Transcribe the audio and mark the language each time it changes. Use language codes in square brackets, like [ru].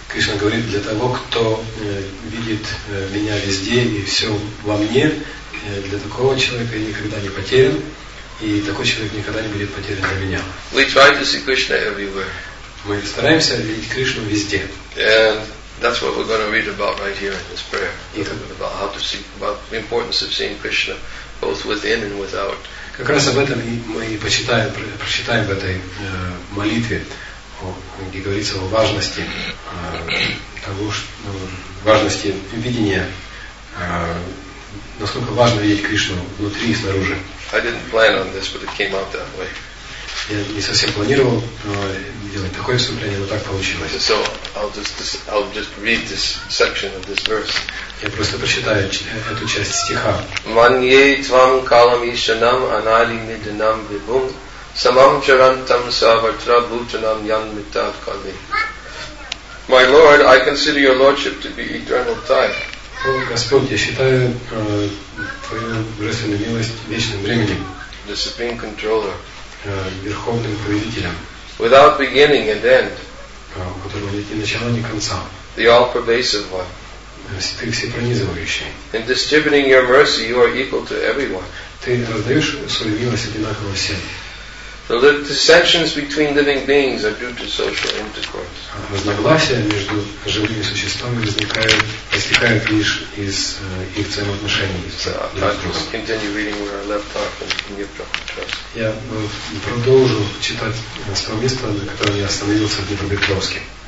[ru] Кришна говорит, для того, кто видит меня везде и все во мне, для такого человека я никогда не потерян, и такой человек никогда не будет потерян для меня. [en] We try to see Krishna everywhere. [ru] Мы стараемся видеть Кришну везде. [en] And that's what we're going to read about right here in this prayer. About how to see, about the importance of seeing Krishna both within and without. [ru] Как раз об этом мы и почитаем, прочитаем в этой молитве, где говорится о важности того, что, важности видения, насколько важно видеть Кришну внутри и снаружи. [en] I didn't plan on this, but it came out that way. [ru] Я не совсем планировал делать такое вступление, но так получилось. [en] So I'll just read this section of this verse. [ru] Я просто прочитаю эту часть стиха. [sa] Манье твам калам ишанам анали нидинам вибум самам чарантам саватра бутанам ян митат кали. [en] My Lord, I consider your lordship to be eternal time. [ru] О, Господь, я считаю твою божественную милость вечным временем. [en] The supreme controller. [ru] Верховным Повелителем. [en] Without beginning and end. [ru] У которого нет ни начала, ни конца. [en] The all-pervasive one. [ru] Ты всепронизывающий. [en] In distributing your mercy, you are equal to everyone. [ru] Ты раздаешь свою милость одинаково всем. [en] The dissensions between living beings are due to social intercourse. [ru] Разногласия между живыми существами возникают лишь из их взаимоотношений. [en] Continue reading where I left off in Dnipro. [ru] Я продолжу читать с того места, на котором я остановился в Днепропетровске.